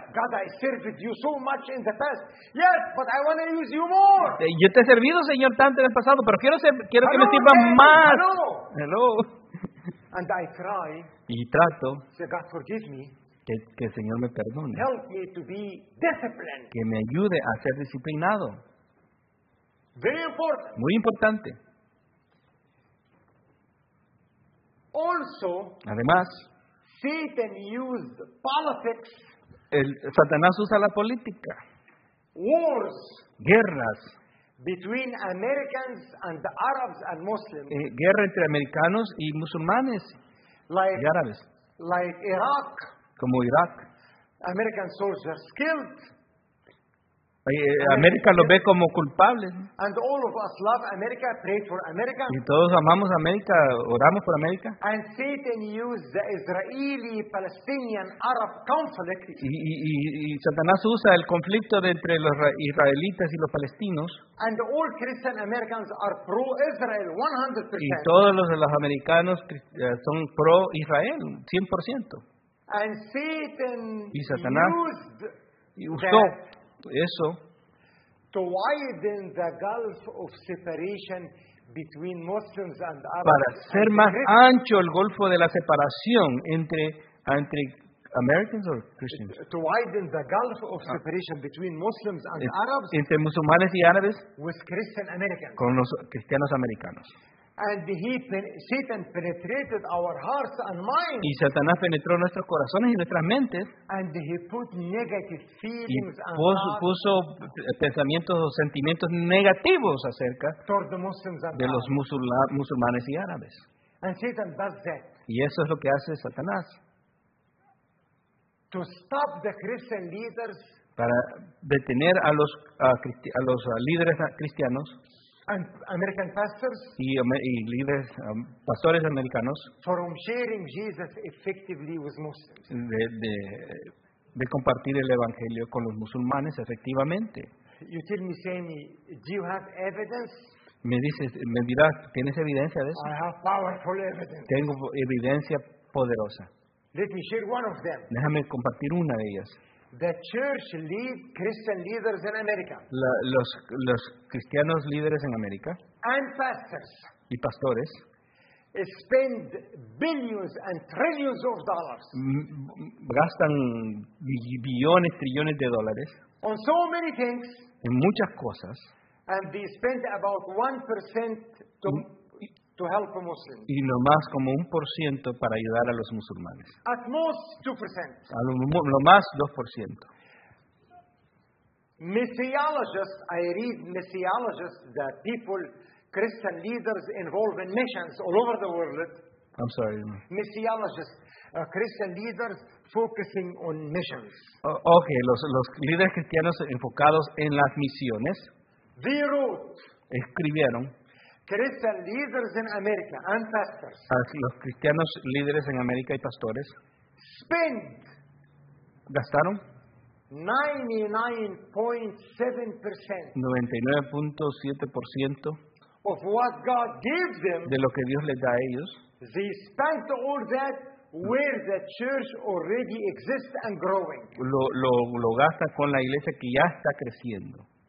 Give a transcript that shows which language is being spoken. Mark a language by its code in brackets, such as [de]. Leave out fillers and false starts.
[en] God, I served you so much in the past. Yes, but I want to use you more. [es] Yo te he servido, Señor, tanto en el pasado, pero quiero [en] hello, [es] que me sirvas más. [en] Hello. And I try. [es] Y trato. [en] So God forgive me. [es] Que el Señor me perdone. [en] Help me to be disciplined. [es] Que me ayude a ser disciplinado. [en] Very important. [es] Muy importante. [en] Also. [es] Además. [en] Satan used politics. [es] El Satanás usa la política. [en] Wars. [es] Guerras. [en] Between Americans and the Arabs and Muslims. [es] Guerra entre americanos y musulmanes. [en] Like, [es] y árabes. [en] Like Iraq. [es] Como Irak. [en] American soldiers killed. [es] América lo ve como culpable. [en] And all of us love America, pray for America. [es] Y todos amamos América, oramos por América. [en] And Satan used the Israeli-Palestinian Arab conflict. [es] Y Satanás usa el conflicto de entre los israelitas y los palestinos. [en] And all Christian Americans are pro-Israel 100%. [es] Y todos los americanos son pro-Israel 100%. [en] And Satan [es] y Satanás usó eso, [en] to widen the gulf of separation between Muslims and Arabs, [es] para hacer más ancho el golfo de la separación entre [en] Americans or Christians. To widen the gulf of separation between Muslims and Arabs, [es] entre musulmanes y árabes, [en] with Christian Americans, [es] con los cristianos americanos. [en] And Satan penetrated our hearts and minds. [es] Y Satanás penetró nuestros corazones y nuestras mentes. [en] And he put negative feelings [es] y puso pensamientos o sentimientos negativos acerca [en] toward the Muslims and [es] de los musulmanes y árabes. [en] And Satan does that. [es] Y eso es lo que hace Satanás. [en] To stop the Christian leaders, [es] para detener a los líderes cristianos [en] and American pastors, [es] y líderes, pastores americanos, [en] from sharing Jesus effectively with Muslims, [es] de compartir el evangelio con los musulmanes efectivamente. [en] You tell me, Sammy, do you have evidence? [es] Me dices, me dirás, ¿tienes evidencia de eso? [en] I have powerful evidence. [es] Tengo evidencia poderosa. [en] Let me share one of them. [es] Déjame compartir una de ellas. [en] The church lead Christian leaders in America. [es] Los cristianos líderes en América. [en] And pastors. [es] Y pastores. [en] Spend billions and trillions of dollars. [es] Gastan billones, trillones de dólares. [en] On so many things. [es] En muchas cosas. [en] And they spend about 1% to help Muslims. [es] Y no más como 1% para ayudar a los musulmanes. [en] At most 2%. [es] A lo más 2%. [en] Missiologists, I read missiologists, the people, Christian leaders involved in missions all over the world. I'm sorry. Missiologists, Christian leaders focusing on missions. [es] Okay, los líderes cristianos enfocados en las misiones. [en] They wrote. [es] Escribieron. [en] Christian leaders in America and pastors. [es] Así, los cristianos líderes en América y pastores. [en] Spent. [es] Gastaron. [en] 99.7%. [es] 99.7%. [en] Of what God gives them. [es] De lo que Dios les da a ellos. [en] They spent all that where the church already exists and growing. [es] Lo gasta con la iglesia que ya está creciendo.